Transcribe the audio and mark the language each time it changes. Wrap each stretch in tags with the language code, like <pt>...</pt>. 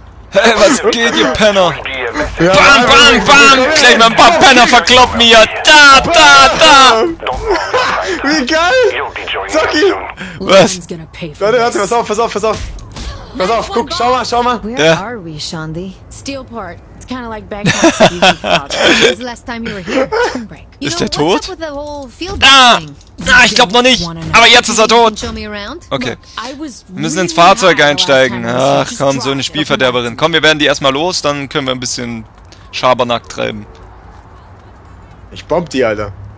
<de>Hey, was geht, ihr Penner? Ja, bam, bam, bam, bam! Gleich mal ein paar Penner verkloppen hier! Da, da, da! Wie geil! Zocki! Was? Leute, warte, pass auf, pass auf, pass auf! Pass auf, guck, schau mal, schau mal!</de> <en>Where are we, Shandi? Steel part. It's kind of like Bangkok City, father. It was last time you were here.</en> <de>Ist der tot? Ah, ich glaube noch nicht. Aber jetzt ist er tot. Okay. Wir müssen ins Fahrzeug einsteigen. Ach komm, so eine Spielverderberin. Komm, wir werden die erstmal los, dann können wir ein bisschen Schabernack treiben. Ich bomb die, Alter.</de>